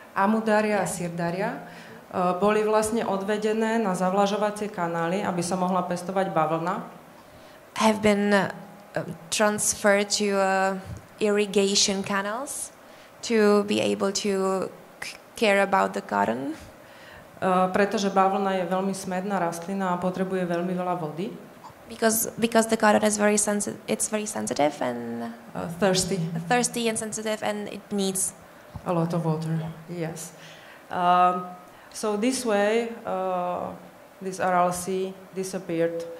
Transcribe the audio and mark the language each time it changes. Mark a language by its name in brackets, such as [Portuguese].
[Slovak] Amu Darya a Sir Darya boli vlastne odvedené na zavlažovacie kanály, aby sa mohla pestovať bavlna. [English] Have been transferred to irrigation canals to be able to care about the cotton. [Slovak] Pretože bavlna je veľmi smedná rastlina a potrebuje veľmi veľa vody. [English] Because the cotton is very sensitive, it's very sensitive and thirsty and sensitive and it needs a lot of water, yes. So this way, this Aral Sea disappeared.